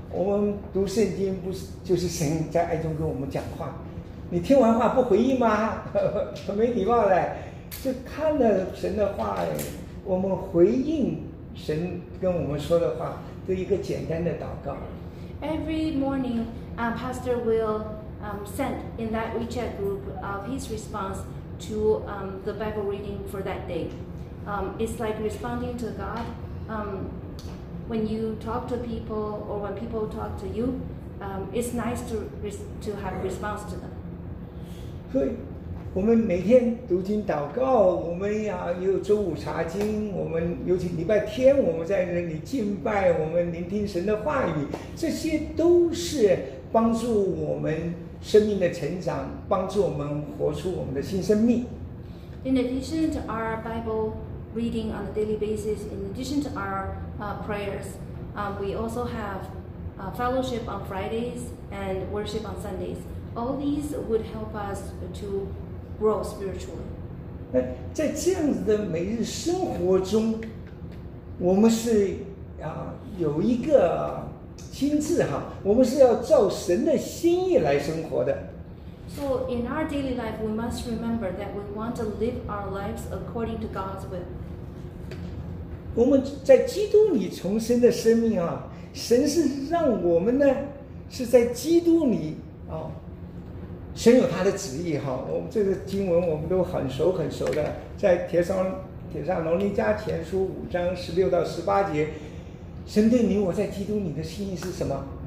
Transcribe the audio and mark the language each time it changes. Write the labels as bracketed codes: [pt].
[zh] 我们读圣经不是就是神在爱中跟我们讲话，你听完话不回应吗？很没礼貌嘞。就看了神的话，我们回应神跟我们说的话，做一个简单的祷告。 [en] Every morning, Pastor will send in that WeChat group of his response to the Bible reading for that day. It's like responding to God. When you talk to people or when people talk to you, it's nice to have a response to them. [zh] 所以我们每天读经祷告，我们也有周五查经，我们尤其礼拜天我们在那里敬拜，我们聆听神的话语，这些都是帮助我们生命的成长，帮助我们活出我们的新生命。 [en] In addition to our Bible reading on a daily basis, in addition to our prayers, we also have fellowship on Fridays and worship on Sundays. All these would help us to grow spiritually. [zh] 在这样子的每日生活中，我们是有一个心智哈，我们是要照神的心意来生活的。 [en] So in our daily life, we must remember that we want to live our lives according to God's will. [zh] 我们在基督里重生的生命啊，神是让我们呢，是在基督里啊，神有他的旨意哈。我们这个经文我们都很熟很熟的，在帖撒罗尼迦前书5:16-18，神对你我在基督里的心意是什么？